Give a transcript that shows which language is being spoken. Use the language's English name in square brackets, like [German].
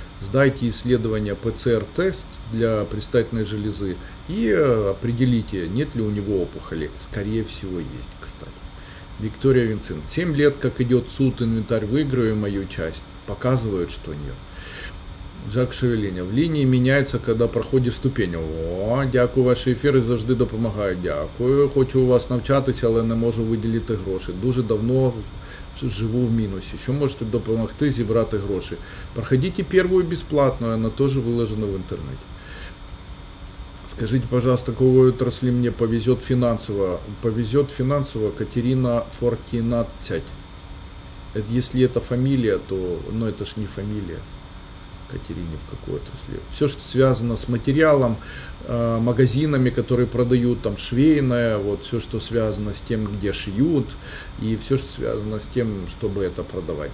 [Russian] Сдайте исследование ПЦР-тест для предстательной железы и определите, нет ли у него опухоли. Скорее всего, есть, кстати. Виктория Винцент. 7 лет, как идет суд, инвентарь выиграю, мою часть. Показывают, что нет. Джак Шевеленя. В линии меняется, когда проходишь ступень. [Ukrainian] О, дякую, ваші ефіри завжди допомагають. Дякую. Хочу у вас навчатися, але не можу виділити гроші. Дуже давно живу в мінусі. Що можете допомогти зібрати гроші? Проходите першу безплатно, вона теж виложена в інтернеті. [Russian] Скажите, пожалуйста, какой отрасли мне повезет финансово? Повезет финансово Катерина Фортинацять. Это, если это фамилия, то... Но это ж не фамилия. Катерине в какой отрасли. Все, что связано с материалом, магазинами, которые продают, там, швейное, вот, все, что связано с тем, где шьют, и все, что связано с тем, чтобы это продавать.